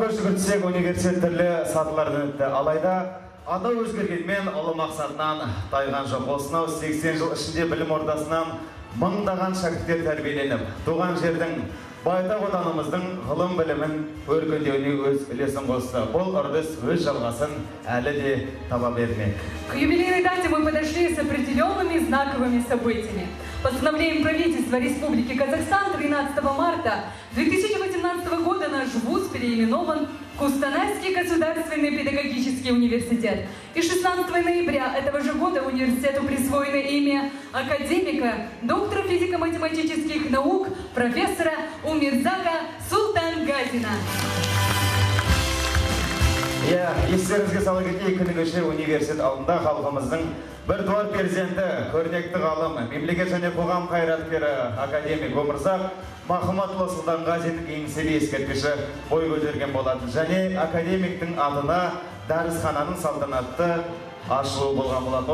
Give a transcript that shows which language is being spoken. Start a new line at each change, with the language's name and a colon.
Kazakh: Университеттерле сатылардын өтті алайда, ада өзгерген мен олы мақсатынан тайған жоқ. Осынау 80 жыл ішінде білім ордасынан мыңдаған шәкірттер тәрбиеленіп, туған жердің байтақ отанымыздың ғылым білімін өркендеуіне өз үлесін қосты. Бұл үрдіс өз жалғасын әлі де таба бермек.
Russian: К юбилейной дате мы подошли с определенными знаковыми событиями. Постановлением правительства Республики Казахстан 13 марта 2018 года наш вуз переименован в Кустанайский государственный педагогический университет. И 16 ноября этого же года университету присвоено имя академика, доктора физико-математических наук, профессора Өмүрзака Султангазина.
Kazakh: Естеріңізге сала кетейік, күні кеше университет алдында халқымыздың бір туар перзенті, көрнекті ғалым, мемлекет және қоғам қайраткері академик Өмүрзақ Махматұлы Султангазиннің еңселі ескерткіші бой көтерген болатын. Және академиктің атына дәрісхананың салтанатты ашылуы болған болатын.